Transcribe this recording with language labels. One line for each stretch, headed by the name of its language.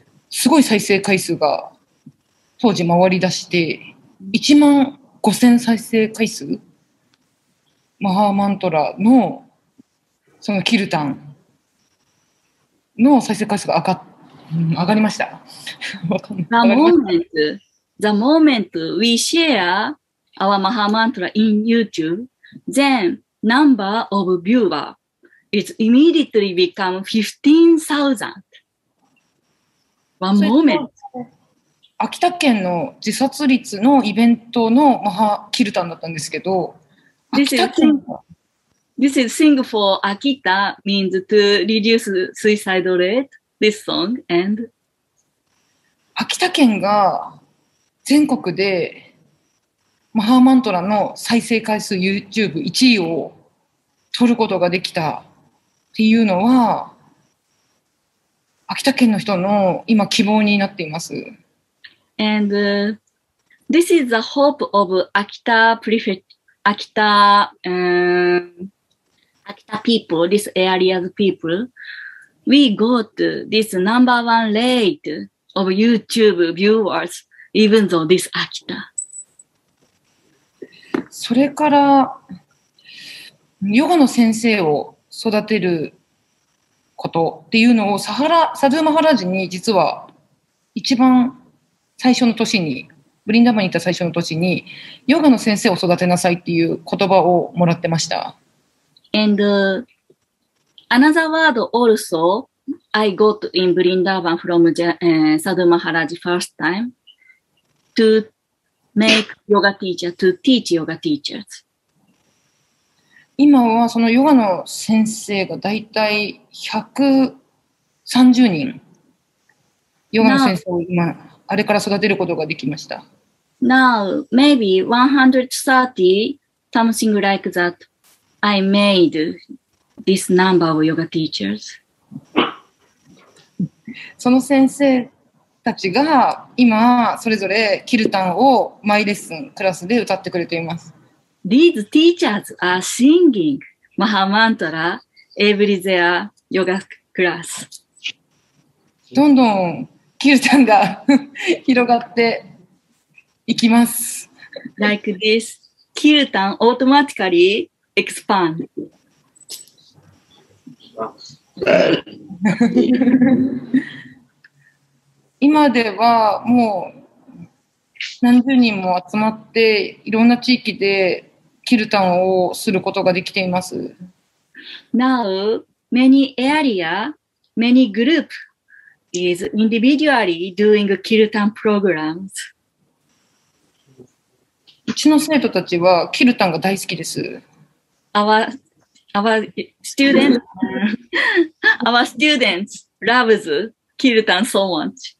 Japanese: すごい再生回数が当時回り出して、1万5000再生回数、マハーマントラの、そのキルタンの再生回数が上がりました。
English: The moment, the moment we share our Maha Mantra in YouTube, then number of viewer is immediately become 15,000. One moment.
Japanese: 秋田県の自殺率のイベントのマハキルタンだったんですけど、
English: This is sing for Akita means to reduce suicide rate, this song, and
Japanese: 秋田県が全国でマハーマントラの再生回数 YouTube1 位を取ることができたっていうのは、秋田県の人の今希望になっています。
English: And this is the hope of Akita Prefecture. Akita, Akita people, this area's people, we got this number one rate of YouTube viewers, even though this Akita.
Japanese: それから、ヨガの先生を育てることっていうのをサドゥーマハラジに実は一番最初の年に、ブリンダバに行った最初の年に、ヨガの先生を育てなさいっていう言葉をもらってました。
English: And another word also I got in Vrindavan from Sadhu Maharaj first time to make yoga teacher, to teach yoga teachers.
Japanese: 今はそのヨガの先生がだいたい130人。ヨガの先生を今、あれから育てることができました。
English: Now, maybe 130 something like that, I made this number of yoga teachers.
Japanese: その先生たちが今それぞれキルタンをマイレッスンクラスで歌ってくれています。
English: These teachers are singing Maha Mantra every their yoga class.
Japanese: どんどんキルタンが広がって行きます。
English: Like this, Kirtan automatically expand.
Japanese: 今ではもう何十人も集まっていろんな地域でKirtanをすることができています。
English: Now, many area, many group is individually doing Kirtan programs.
Japanese: うちの生徒たちはキルタンが大好きです。
English: Our students, our students loves Kirtan so much.